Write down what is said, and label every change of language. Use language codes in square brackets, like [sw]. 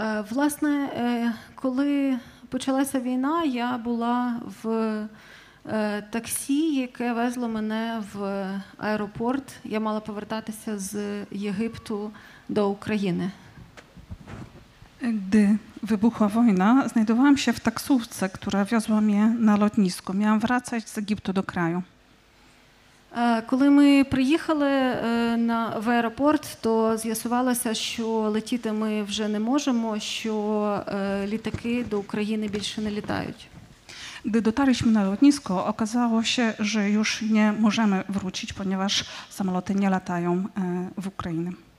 [uk] Власне, коли почалася війна, я була в таксі, яке везло мене в аеропорт. Я мала повертатися з Єгипту до України. [pl] Gdy wybuchła wojna, znajdowałam się w taksówce, która wiozła mnie na lotnisko. Miałam wracać z Egiptu do kraju. [uk] Коли ми приїхали в аеропорт, то з'ясувалося, що летіти ми вже не можемо, що літаки до України більше не літають. [pl] Gdy dotarliśmy na lotnisko, okazało się, że już nie możemy wrócić, ponieważ samoloty nie latają w Ukrainie.